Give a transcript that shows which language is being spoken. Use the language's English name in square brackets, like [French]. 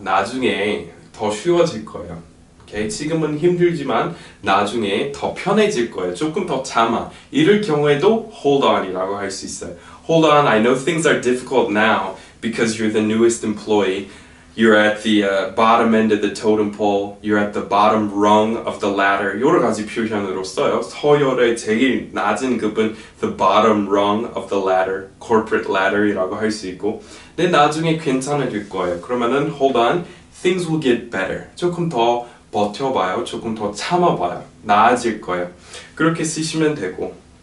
[Korean] 나중에 더 쉬워질 거예요. 지금은 힘들지만 나중에 더 편해질 거예요. 조금 더 참아. 이럴 경우에도 hold on 이라고 할 수 있어요. [English] Hold on, I know things are difficult now because you're the newest employee. You're at the bottom end of the totem pole. You're at the bottom rung of the ladder. [Korean] 여러 가지 표현으로 써요. 서열의 제일 낮은 급은 [English] the bottom rung of the ladder, corporate ladder [Korean] 이라고 할 수 있고 근데 나중에 괜찮아질 거예요. [English] 그러면은 hold on, things will get better. [Korean] 조금 더 버텨봐요. 조금 더 참아봐요. 나아질 거예요. 그렇게 쓰시면 되고.